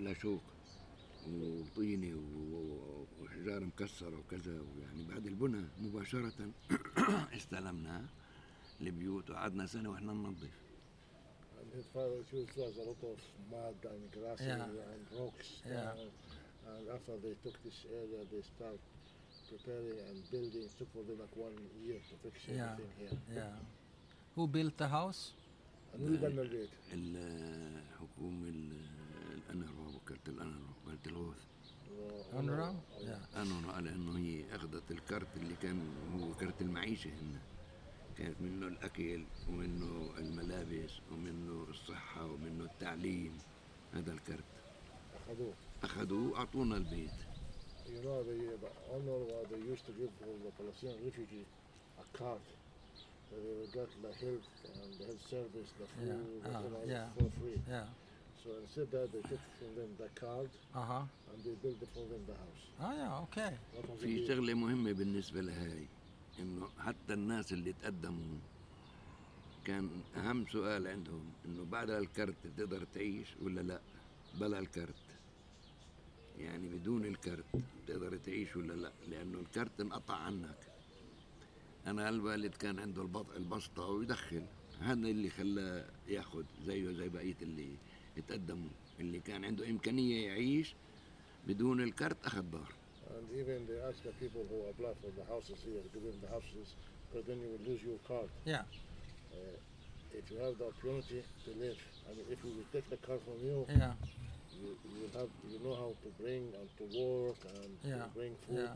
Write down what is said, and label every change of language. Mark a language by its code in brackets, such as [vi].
[en] Yeah, because [ar] وطيني وحجار مكسرة وكذا يعني بعد البناء مباشرة استلمنا البيوت وعدنا سنة وإحنا ننظف. [en] And his father used a lot of mud and grasses yeah. and rocks. Yeah. And after they took this area, they start preparing and building. It took for them like 1 year to fix everything yeah. here. Yeah. Who built the house? And who built the house? [ar] الحكومة ال الأنرا وكرت الأنرا وكرت الغوث أنرا؟ أنرا لأنه هي أخذت الكرت اللي كان هو كرت المعيشة هنا كانت منه الأكل ومنه الملابس ومنه الصحة ومنه التعليم هذا الكرت أخذوه وأعطونا البيت [en] You know the Anwar they used to give all the Palestinian refugees a cart they would get the help and the health service the food for free So instead of that, they took from them the card uh-huh. and they built for them the house. Oh yeah, okay. [ar] في شغلة مهمة بالنسبة لهاي إنه حتى الناس اللي تقدموا كان أهم سؤال عندهم إنه بعد الكرت تقدر تعيش ولا لا. بلا الكارت، يعني بدون الكارت تقدر تعيش ولا لا؟ لأنه الكارت انقطع عنك. أنا الوالد كان عنده البطء البسطة ويدخل، هذا اللي خلاه ياخد زيه زي بقية اللي يتقدموا. اللي كان عنده إمكانية يعيش بدون الكارت أخذ دار. [en] And even they ask the people who apply for the houses here, give them the houses, because then you will lose your card. Yeah. If you have the opportunity to live, I mean, if we will take the card from you, yeah, you have, you know how to bring and to work and yeah, to bring food.